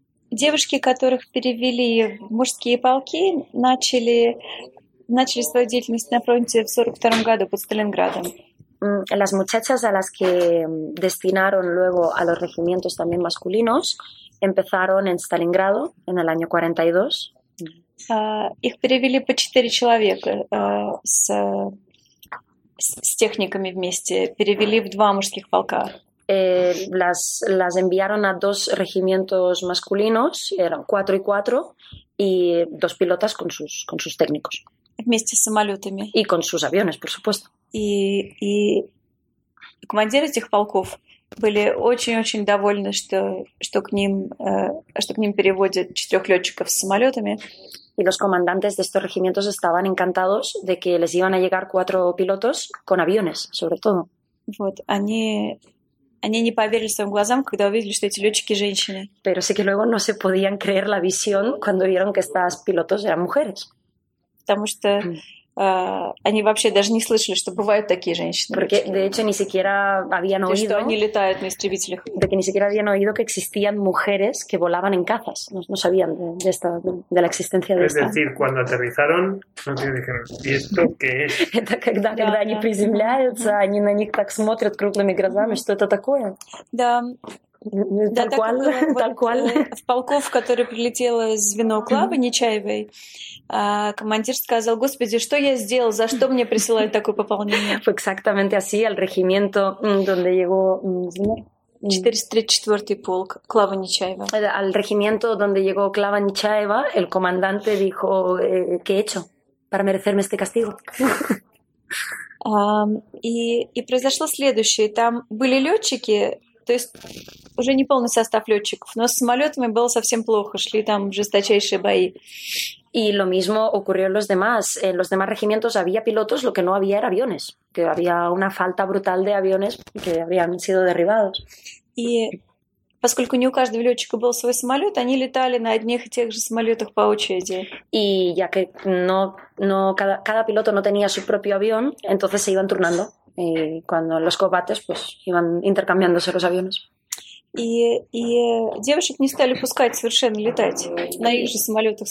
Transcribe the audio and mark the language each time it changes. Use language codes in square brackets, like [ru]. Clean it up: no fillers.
[ru] Девушки, которых перевели в мужские полки, начали свою деятельность на фронте в 42-м году под Сталинградом. [es] Las muchachas a las que destinaron luego a los regimientos también masculinos empezaron en Stalingrado en el año 42. [ru] Их перевели по 4 человека с техниками вместе. Перевели в 2 мужских полка. [es] Las enviaron a 2 regimientos masculinos, eran 4 y 4, y 2 pilotas con sus técnicos. [ru] Вместе с самолетами. [es] Y con sus aviones, por supuesto. [ru] И командиры этих полков были очень-очень довольны, что к ним переводят 4 летчиков с самолетами. [es] Y los comandantes de estos regimientos estaban encantados de que les iban a llegar 4 pilotos con aviones, sobre todo. [ru] Вот, они не поверили своим глазам, когда увидели, что эти летчики женщины. [es] Pero sí que luego no se podían creer la visión cuando vieron que estas pilotos eran mujeres. [ru] Потому что они вообще даже не слышали, что бывают такие женщины. [es] Porque, de hecho, ni siquiera habían oído, [ru] что они летают на истребителях. [es] De que ni siquiera habían oído que existían mujeres que volaban en cazas. No sabían de la existencia de esta. Es decir, cuando aterrizaron, dijeron, ¿y esto qué es? [ru] Это когда они приземляются, они на них так смотрят крупными глазами, что это такое? Да. [es] Tal cual. [ru] В полков, в который прилетело звено Клавы Нечаевой, командир сказал, господи, что я сделал, за что мне присылают такое пополнение? [es] Fue exactamente así, al regimiento donde llegó... [ru] 434-й полк, Клава Нечаева. [es] Al regimiento donde llegó Клава Нечаева, el comandante dijo, ¿qué he hecho para merecerme este castigo? [ru] И произошло следующее. Там были летчики... То есть уже не полный состав летчиков, но с самолетами было совсем плохо, шли там жесточайшие бои. И [es] lo mismo ocurrió en los demás. En los demás regimientos había pilotos, lo que no había era aviones, que había una falta brutal de aviones que habían sido derribados. [ru] И поскольку не у каждого летчика был свой самолет, они летали на одних и тех же самолетах по очереди. И [es] ya que cada piloto no tenía su propio avión, entonces se iban turnando. Y cuando los combates, pues iban intercambiándose los aviones. Y [ru] девушек не стали пускать совершенно летать на их же самолетах.